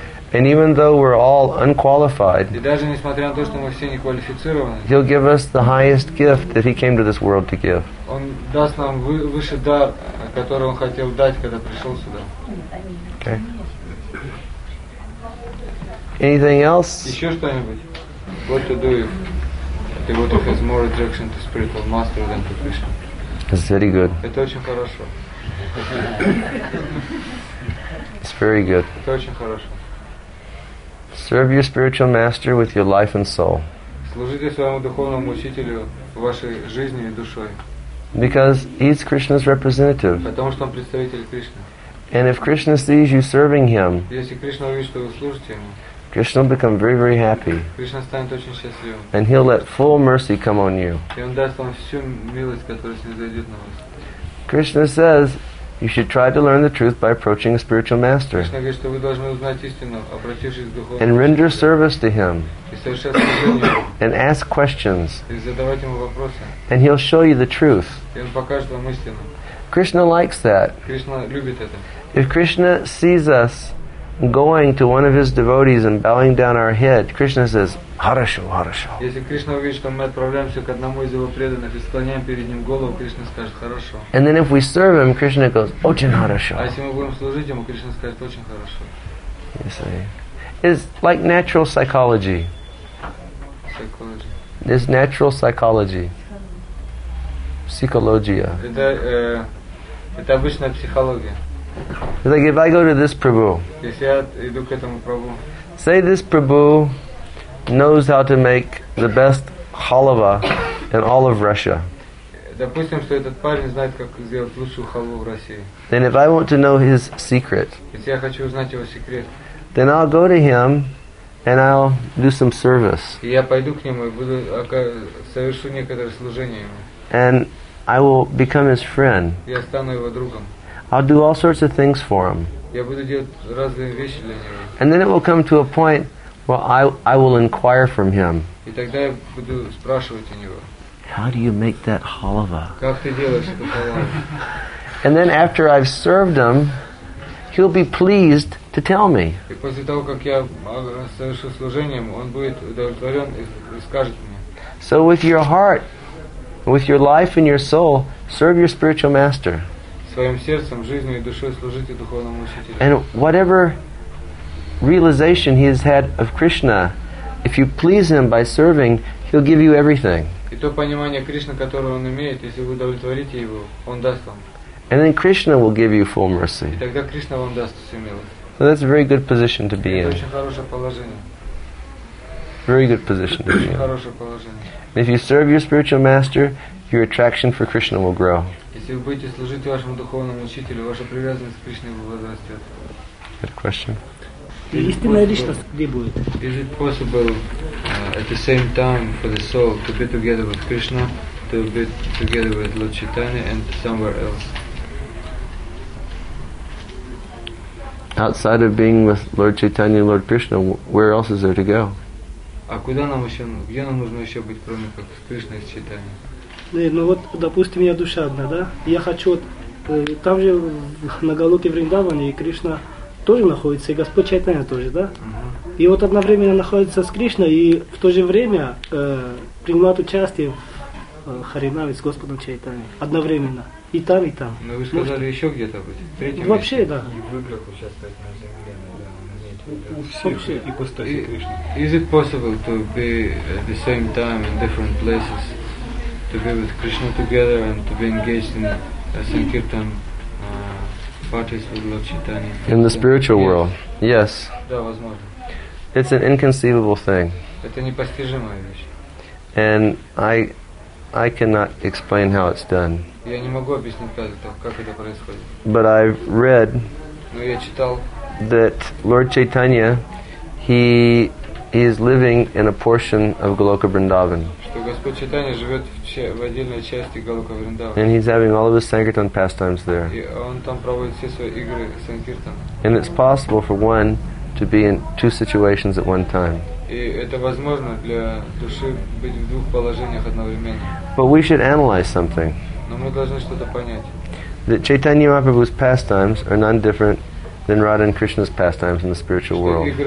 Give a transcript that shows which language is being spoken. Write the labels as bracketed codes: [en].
[en] And even though we're all unqualified, he'll give us the highest gift that he came to this world to give. [ru] даст нам выше дар, который он хотел дать, когда пришел сюда. [en] Okay. Anything else? [ru] Еще что-нибудь? [en] What to do if a devotee has more attraction to spiritual master than to Krishna? That's very good. [ru] Это очень хорошо. [en] It's very good. [ru] Это очень хорошо. [en] Serve your spiritual master with your life and soul. [ru] Служите своему духовному учителю вашей жизнью и душой. [en] Because he's Krishna's representative. [ru] Потому что он представитель Кришны. [en] And if Krishna sees you serving him, [ru] если Кришна увидит, что вы служите ему, [en] Krishna will become very, very happy. [ru] Кришна станет очень счастливым. [en] And he'll let full mercy come on you. [ru] И он даст вам всю милость, которая снизойдет на вас. [en] Krishna says you should try to learn the truth by approaching a spiritual master. [ru] Кришна говорит, что вы должны узнать истину, обратившись к духовному. [en] And render service to him. [ru] И совершать служение. [en] And ask questions. [ru] И задавать ему вопросы. [en] And he'll show you the truth. [ru] И он покажет вам истину. [en] Krishna likes that. [ru] Кришна любит это. [en] If Krishna sees us going to one of his devotees and bowing down our head, Krishna says, [ru] "Хорошо, хорошо." Если Кришна увидит, что мы отправляемся к одному из его преданных и склоняем перед ним голову, Кришна скажет, "Хорошо." [en] And then if we serve him, Krishna goes, [ru] "Очень хорошо." А если мы будем служить ему, Кришна скажет, "Очень хорошо." [en] You see, it's like natural psychology. Psychology. It's natural psychology. Psychologia. [ru] Это обычная психология. [en] Like if I go to this Prabhu, [ru] если я иду к этому Прабу, [en] say this Prabhu knows how to make the best halva in all of Russia. [ru] Допустим, что этот парень знает, как сделать лучшую халву в России. [en] Then if I want to know his secret, [ru] если я хочу узнать его секрет, [en] then I'll go to him and I'll do some service. [ru] И я пойду к нему и буду совершу некоторое служение ему. [en] And I will become his friend. [ru] Я стану его другом. [en] I'll do all sorts of things for him. [ru] Я буду делать разные вещи для него. [en] And then it will come to a point where I will inquire from him. [ru] И тогда я буду спрашивать у него. [en] How do you make that halva? [ru] Как ты делаешь эту халаву? [en] And then after I've served him, he'll be pleased to tell me. [ru] И после того, как я совершу служение, он будет удовлетворен и скажет мне. [en] So with your heart, with your life and your soul, serve your spiritual master. [ru] Своим сердцем, жизнью и душой служите духовному учителю. [en] And whatever realization he has had of Krishna, if you please him by serving, he'll give you everything. [ru] И то понимание Кришны, которое он имеет, если вы удовлетворите его, он даст вам. [en] And then Krishna will give you full mercy. [ru] И тогда Кришна вам даст всю милость. [en] So that's a very good position to be [ru] это Это очень хорошее положение. [en] Very good position to be in. [ru] Хорошее положение. [en] If you serve your spiritual master, your attraction for Krishna will grow. [ru] Если вы будете служить вашему духовному учителю, ваша привязанность к Кришне возрастет. [en] Good question. [ru] Истинная личность где будет? [en] Is it possible at the same time for the soul to be together with Krishna, to be together with Lord Chaitanya and somewhere else? Outside of being with Lord Chaitanya and Lord Krishna, where else is there to go? [ru] А куда нам еще, где нам нужно еще быть, кроме как с Кришной, с Чайтаней? Ну вот, допустим, я душа одна, да? Я хочу, там же на Галоке Вриндаване и Кришна тоже находится, и Господь Чайтаня тоже, да? Uh-huh. И вот одновременно находится с Кришной, и в то же время принимает участие в Харинаме с Господом Чайтани. Одновременно. И там, и там. Ну вы сказали, может, еще где-то быть? В третьем вообще, месте. Да. И в выборах участвовать на земле. [en] Is it possible to be at the same time in different places, to be with Krishna together and to be engaged in Sankirtan parties with Lord Chaitanya? In the spiritual yes. world, yes. [ru] Да, возможно. [en] It's an inconceivable thing. [ru] Это непостижимая вещь. [en] And I cannot explain how it's done. [ru] Я не могу объяснить, как это происходит. [en] But I've read. [ru] Но я читал. [en] That Lord Chaitanya, he is living in a portion of Goloka Vrindavan. [ru] Что Господь Чайтанья живет в отдельной части Голока Вриндавана. [en] And he's having all of his Sankirtan pastimes there. [ru] И он там проводит все свои игры Sankirtan. [en] And it's possible for one to be in two situations at one time. [ru] И это возможно для души быть в двух положениях одновременно. [en] But we should analyze something. [ru] Но мы должны что-то понять. [en] That Chaitanya Mahaprabhu's pastimes are none different than Radha and Krishna's pastimes in the spiritual world.